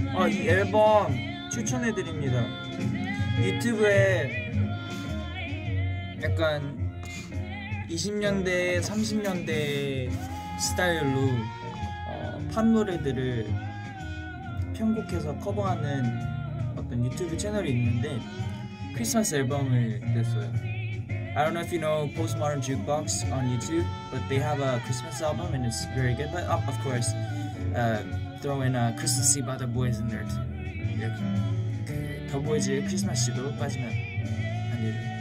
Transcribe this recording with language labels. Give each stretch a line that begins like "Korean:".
Korean: 이 앨범 추천해드립니다. 유튜브에 약간 20년대, 30년대 스타일로 팝 노래들을 편곡해서 커버하는 어떤 유튜브 채널이 있는데 크리스마스 앨범을 냈어요.
English: I don't know if you know Postmodern Jukebox on YouTube, but they have a Christmas album and it's very good. But of course, throw in a Christmassy by the boys in there too.
Korean: 이렇게 그 더 보이즈의 크리스마스도 빠지면 안 돼요.